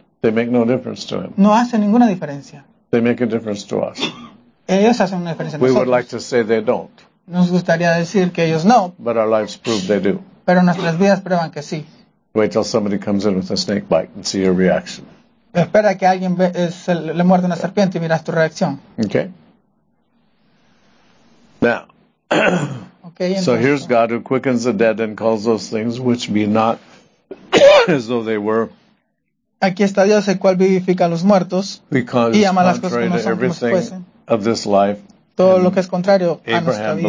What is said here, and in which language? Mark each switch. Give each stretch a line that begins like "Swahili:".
English: They make no difference to him.
Spanish: No hace ninguna diferencia.
English: They make a difference to us.
Spanish: Ellos hacen una diferencia a nosotros.
English: We would like to say they don't.
Spanish: Nos gustaría decir que ellos no.
English: But our lives prove they do.
Spanish: Pero nuestras vidas prueban que sí.
English: Wait till somebody comes in with a snake bite and see your reaction.
Spanish: Espera que alguien le muerda una serpiente y miras tu reacción.
English: Okay. Now. Okay, so here's God who quickens the dead and calls those things which be not as though they were.
Spanish: Aquí está Dios el cual vivifica a los muertos y llama las cosas como si fuesen.
English: Of this life.
Spanish: Todo lo que es contrario a nuestra vida.